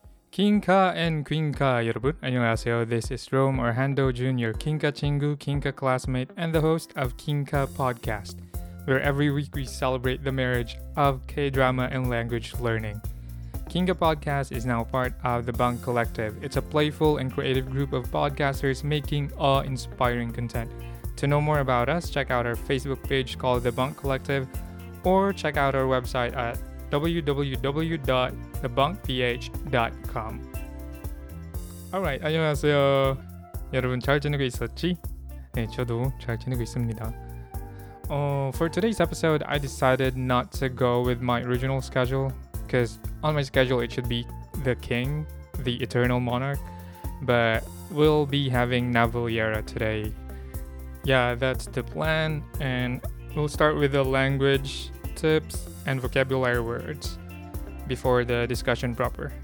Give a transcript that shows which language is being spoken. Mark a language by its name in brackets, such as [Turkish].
[Korean] 킹카 앤 퀸카 여러분 안녕하세요. [English] This is Rome Orhando Jr. 킹카 친구, 킹카 classmate, and the host of 킹카 podcast, where every week we celebrate the marriage of K-drama and language learning. 킹카 podcast is now part of the Bang Collective. It's a playful and creative group of podcasters making awe-inspiring content. To know more about us, check out our Facebook page called The Bang Collective, or check out our website at www.thebunkph.com. [Korean] Alright, 안녕하세요. 여러분 잘 지내고 있었지? 네, 저도 잘 지내고 있습니다. [English] For today's episode, I decided not to go with my original schedule, because on my schedule it should be the king, the eternal monarch, but we'll be having Navaliera today. Yeah, that's the plan, and we'll start with the language tips and vocabulary words before the discussion proper.